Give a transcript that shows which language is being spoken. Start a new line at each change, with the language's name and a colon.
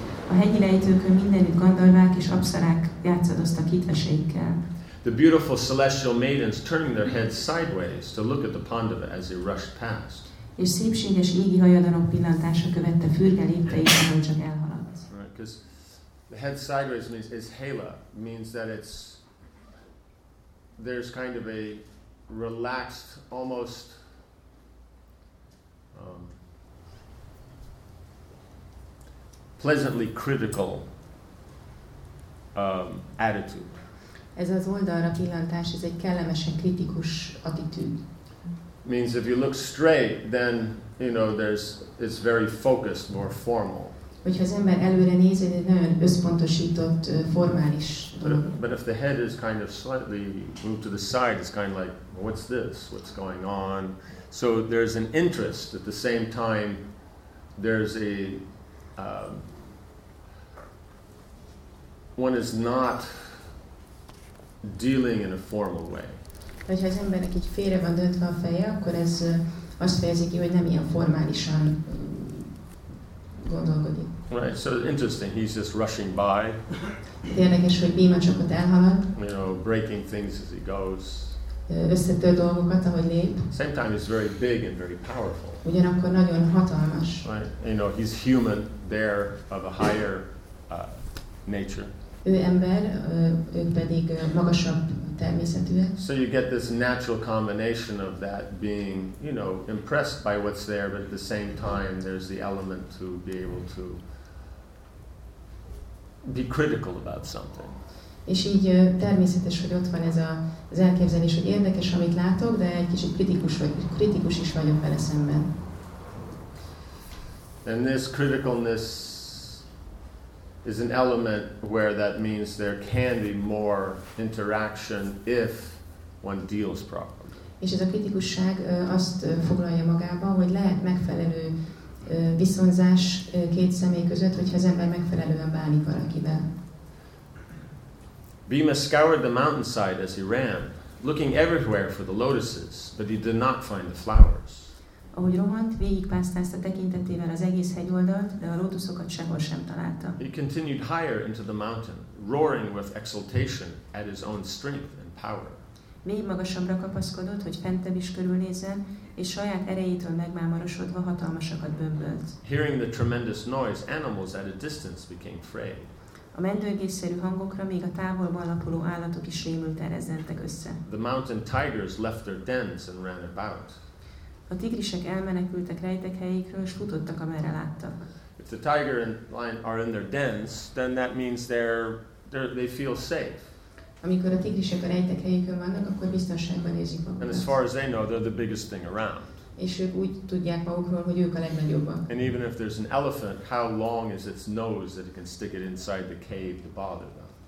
Hungarian: A hegyi lejtőkön mindenütt gandharvák és apszarák játszadoztak hitveseikkel.
English: The beautiful celestial maidens turning their heads sideways to look at the pandava as they rushed past.
Hungarian: És szépséges égi hajadanok pillantása követte fürge lépteit, ahogy csak elhaladt.
English: The head sideways means is hala, means that it's there's kind of a relaxed, almost pleasantly critical attitude.
Hungarian: Ez az oldalra pillantás, ez egy kellemesen kritikus attitűd.
English: Means if you look straight, then you know there's it's very focused, more formal.
Hungarian: Hogyha az ember előre néz, egy nagyon összpontosított, formális dolog.
English: But if the head is kind of slightly moved to the side, it's kind of like, what's this? What's going on? So there's an interest. At the same time, there's a... one is not dealing in a formal way.
Hungarian: Hogyha az embernek így félre van döntve a feje, akkor ez azt fejezi ki, hogy nem ilyen formálisan gondolkodik.
English: Right, so interesting, he's just rushing by.
Hungarian: Érdekes, hogy Bhima csak ott elhalad.
English: You know, breaking things as he goes.
Hungarian: Összetör dolgokat, ahogy lép.
English: Same time, he's very big and very powerful.
Hungarian: Ugyanakkor nagyon hatalmas.
English: Right, you know, he's human there of a higher nature.
Hungarian: Ő ember, ő pedig magasabb természetűek.
English: So you get this natural combination of that being, you know, impressed by what's there, but at the same time there's the element to be able to be critical about something.
Hungarian: És így természetes, hogy ott van ez az elképzelés, hogy érdekes, amit látok, de egy kicsit kritikus is vagyok vele szemben.
English: And this criticalness is an element where that means there can be more interaction if one deals properly.
Hungarian: És ez a kritikusság azt foglalja magában, hogy lehet megfelelő viszonzás két személy között, hogyha az ember megfelelően bánik valakivel.
English: Bhima scoured the mountainside as he ran, looking everywhere for the lotuses, but he did not find the flowers.
Hungarian: Ahogy rohant, végigpásztázta tekintetével az egész hegyoldalt, de a lótuszokat sehol sem találta.
English: He continued higher into the mountain, roaring with exultation at his own strength and power.
Hungarian: Még magasabbra kapaszkodott, hogy fentebb is körülnézzen, és saját erejétől megmámorosodva hatalmasakat bömbölt.
English: Hearing the tremendous noise, animals at a distance became afraid.
Hungarian: A mendőgészszerű hangokra még a távolban lapuló állatok is rémülten rezzentek össze.
English: The mountain tigers left their dens and ran about.
Hungarian: A tigrisek elmenekültek rejtekhelyeikről, és futottak, amerre láttak.
English: If the tiger and lion are in their dens, then that means they feel safe.
Hungarian: Amikor a tigrisek a rejtekhelyükön vannak, akkor biztonságban érzik magukat.
English: And as far as they know, they're the biggest thing around.
Hungarian: És ők úgy tudják magukról, hogy ők a legnagyobbak.
English: And even if there's an elephant, how long is its nose that it can stick it inside the cave to bother them?